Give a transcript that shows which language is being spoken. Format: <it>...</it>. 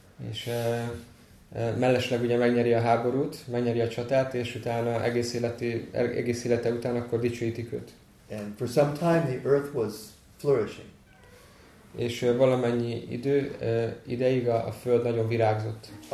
<hu>És mellesleg ugye megnyeri a háborút, megnyeri a csatát, és utána egész élete után akkor dicsőítik őt.</hu> <en>And for some time the earth was flourishing.</en> <hu>És valamennyi idő ideig a föld nagyon virágzott.</hu>